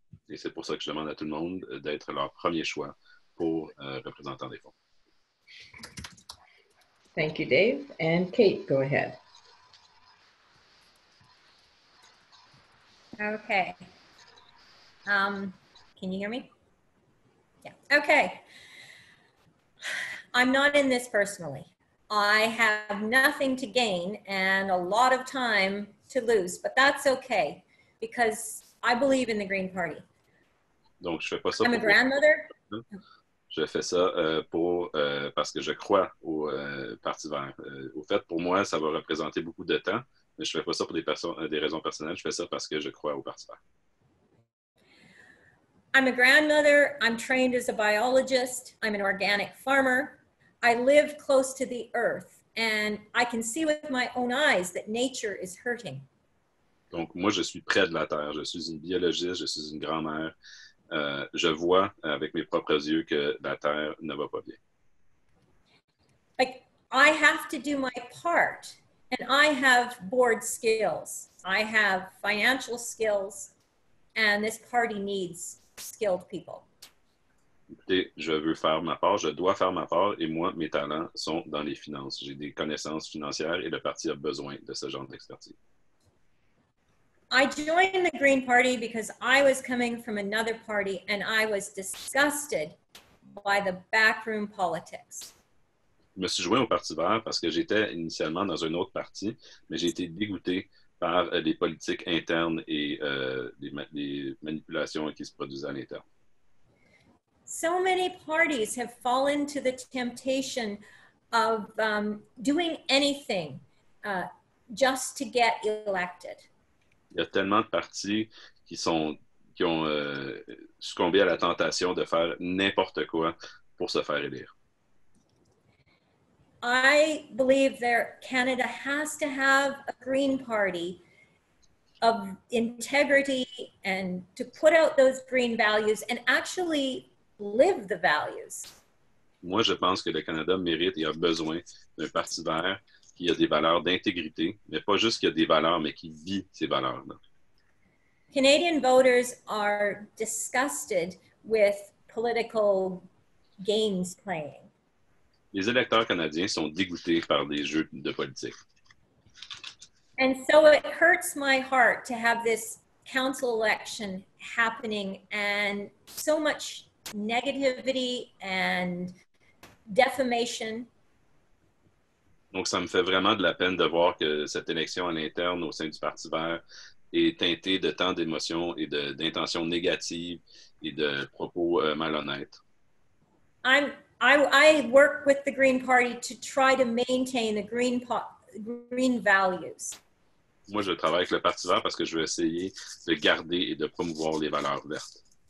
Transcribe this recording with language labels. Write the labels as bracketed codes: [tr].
[fr] Et c'est pour ça que je demande à tout le monde d'être leur premier choix pour représentant des fonds. [en] Thank you, Dave. And Kate, go ahead. Okay. Can you hear me? Yeah. Okay. I'm not in this personally. I have nothing to gain and a lot of time to lose, but that's okay because I believe in the Green Party. [fr] Donc, je fais pas ça. [en] I'm a grandmother. [fr] Je fais ça parce que je crois au Parti vert. Au fait, pour moi, ça va représenter beaucoup de temps, Je ne fais pas ça pour des raisons personnelles, je fais ça parce que je crois aux participants. [en] I'm a grandmother, I'm trained as a biologist, I'm an organic farmer. I live close to the earth and I can see with my own eyes that nature is hurting. [fr] Donc moi je suis près de la terre, je suis une biologiste, je suis une grand-mère. Je vois avec mes propres yeux que la terre ne va pas bien. [en] Like, I have to do my part and I have board skills. I have financial skills and this party needs skilled people. [fr] Écoutez, je veux faire ma part, je dois faire ma part et moi, mes talents sont dans les finances. J'ai des connaissances financières et le parti a besoin de ce genre d'expertise. [en] I joined the Green Party because I was coming from another party and I was disgusted by the backroom politics. [fr] Je me suis joint au Parti vert parce que j'étais initialement dans un autre parti, mais j'ai été dégoûté par les politiques internes et les manipulations qui se produisaient à l'interne. [en] So many parties have fallen to the temptation of doing anything just to get elected. [fr] Il y a tellement de partis qui ont succombé à la tentation de faire n'importe quoi pour se faire élire. [en] I believe that Canada has to have a Green Party of integrity and to put out those green values and actually live the values. [fr] Moi, je pense que le Canada mérite et a besoin d'un parti vert qui a des valeurs d'intégrité, mais pas juste qui a des valeurs, mais qui vit ces valeurs-là. [en] Canadian voters are disgusted with political games playing. [fr] Les électeurs canadiens sont dégoûtés par des jeux de politique. [en] And so it hurts my heart to have this council election happening and so much negativity and defamation. [fr] Donc ça me fait vraiment de la peine de voir que cette élection à l'interne au sein du Parti vert est teintée de tant d'émotions et d'intentions négatives et de propos malhonnêtes. [en] I work with the Green Party to try to maintain the green values. [fr] Moi je travaille avec le Parti vert parce que je veux essayer de garder et de promouvoir les valeurs vertes.